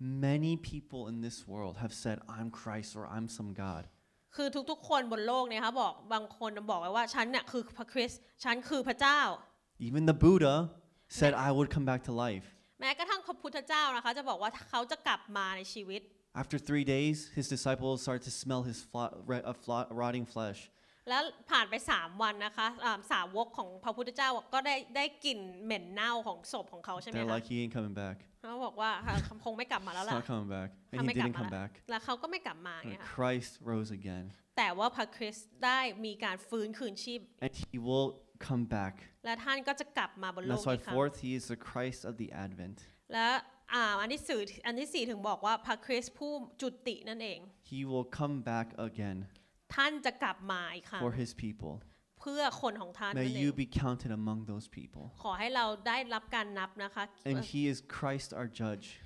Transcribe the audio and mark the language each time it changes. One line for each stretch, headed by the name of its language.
English: Many people in this world have said, "I'm Christ" or "I'm some God."
Thai: คือทุกๆคนบนโลกเนี่ยค่ะบอกบางคนบอกไว้ว่าฉันเนี่ยคือพระคริสต์ฉันคือพระเจ้า
English: Even the Buddha said, "I would come back to life."
Thai: แม้กระทั่งพระพุทธเจ้านะคะจะบอกว่าเขาจะกลับมาในชีวิต
English: After 3 days, his disciples started to smell his rotting flesh.
Thai: แล้วผ่านไป3 วันนะคะสาวกของพระพุทธเจ้าก็ได้กลิ่นเหม็นเน่าของศพของเขาใช่ไหมคะ
English: They're like he ain't coming back.
Thai: เขาบอกว่าคงไม่กลับมาแล้วล่ะ
English: He's not coming back. And he didn't come back.
Thai: แล้วเขาก็ไม่กลับมาไง
English: Christ rose again.
Thai: แต่ว่าพระคริสต์ได้มีการฟื้นคืนชีพ
English: And he will come back.
Thai: และท่านก็จะกลับมาบนโลกนี้
English: That's why fourth, he is the Christ of the Advent.
Thai: และอันที่สี่ถึงบอกว่าพระคริสต์ผู้จุตินั่นเอง
English: He will come back again.
Thai: ท่านจะกลับมาอีกครั้ง
English: For his people.
Thai: เพื่อคนของท่าน
English: เอง May you be counted among those people.
Thai: ขอให้เราได้รับการนับนะคะ
English: And he is Christ our judge.